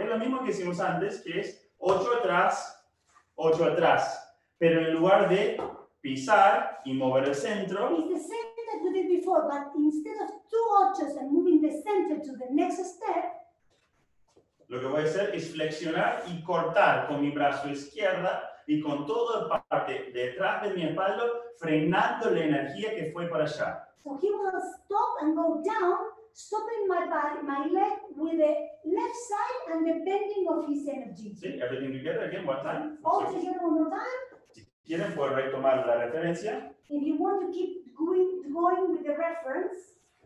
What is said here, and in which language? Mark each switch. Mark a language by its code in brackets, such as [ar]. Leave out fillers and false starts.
[es] Es lo mismo que hicimos antes, que es 8 atrás, 8 atrás. Pero en lugar de pisar y mover el centro. [en] It's the same that we did before, but instead of 2 8s and moving the center to the next step. [es] Lo que voy a hacer es flexionar y cortar con mi brazo izquierda y con toda la parte detrás de mi espalda, frenando la energía que fue para allá. [en] So he will stop and go down. Stopping my body, my leg with the left side and the bending of his energy. Sí, everything together again, one time. All together one more time. [es] Si quieren, puedo retomar la referencia. [en] If you want to keep going with the reference.